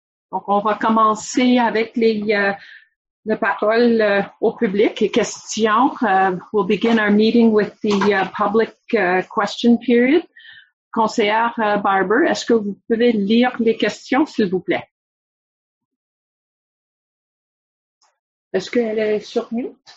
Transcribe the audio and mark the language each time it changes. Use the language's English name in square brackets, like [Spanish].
[French] Donc, on va commencer avec les paroles au public et questions. [English] We'll begin our meeting with the public question period. [French] Conseillère Barber, est-ce que vous pouvez lire les questions, s'il vous plaît? Est-ce qu'elle est sur mute?